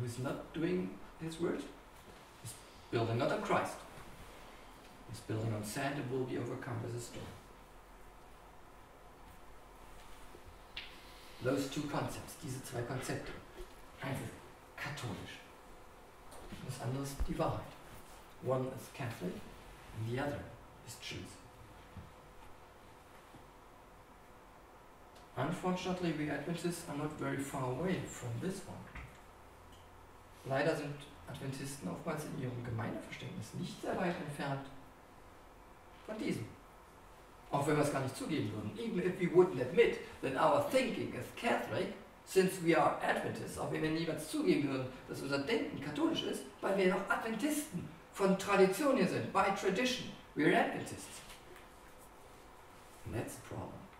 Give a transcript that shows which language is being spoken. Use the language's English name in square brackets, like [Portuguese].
[English] Who is not doing his word is building not on Christ. Is building on sand and will be overcome by the storm. Those two concepts, [German] diese zwei Konzepte. Eins ist katholisch, das andere ist die Wahrheit. [English] One is Catholic and the other is truth. Unfortunately, we Adventists are not very far away from this one. [German] Leider sind Adventisten oftmals in ihrem Gemeindeverständnis nicht sehr weit entfernt von diesem. Auch wenn wir es gar nicht zugeben würden. [English] Even if we wouldn't admit that our thinking is Catholic, since we are Adventists, [German] auch wenn wir niemals zugeben würden, dass unser Denken katholisch ist, weil wir noch Adventisten von Tradition hier sind, [English] by tradition, we are Adventists. And that's the problem.